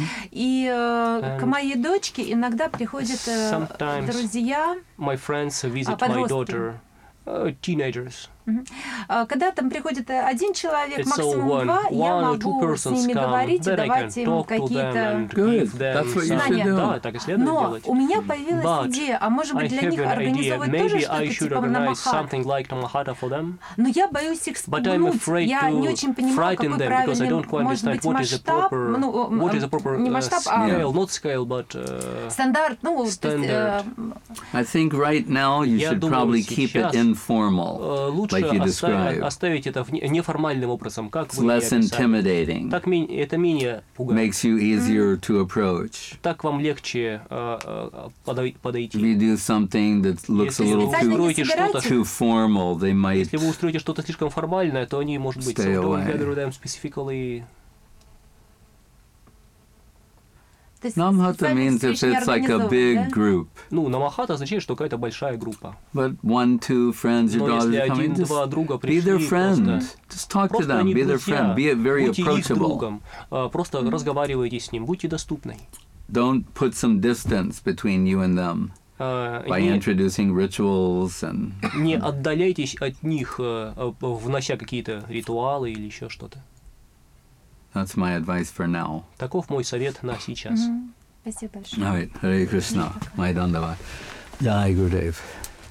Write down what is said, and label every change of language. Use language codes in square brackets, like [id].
[ru] И к моей дочке иногда приходят друзья. [en] My friends visit my daughter. Teenagers. [ru] Когда там приходит один человек, максимум два, я могу с ними говорить и давать им какие-то знания. Но у меня появилась идея, а может быть для них организовать тоже что-то типа намахата. Но я боюсь их спугнуть. Я не очень понимаю, какой правильный, может быть, масштаб. Ну, не масштаб, а [en] scale, not scale, but [ru] стандарт. Ну, то есть, [en] I think right now you should probably keep it informal. [ru] Оставить это неформальным образом, как вы [en] less intimidating. [ru] Так это менее пугает. [en] Makes you easier to approach. [ru] Так вам легче подойти. [en] If you do something that looks a little too formal, they might. [ru] Если вы устроите что-то слишком формальное, то они, может быть, [en] stay away. Together with them specifically. Намахата means if it's like a big group. [ru] Ну, намахата означает, что какая-то большая группа. [en] But one, two friends, your daughter is coming. [ru] Но если один-два друга пришли, [en] be their friend. Just talk to them. Be their friend. Be very approachable. [ru] Будьте другом. Просто разговаривайте с ним. Будьте доступны. [en] Don't put some distance between you and them by introducing rituals and. [ru] Не отдаляйтесь от них, внося какие-то ритуалы или еще что-то. [en] That's my advice for now. [ru] Таков мой совет на сейчас. Спасибо большое. [en] All right. Hare Krishna. Майдандава. Jai Gurudev.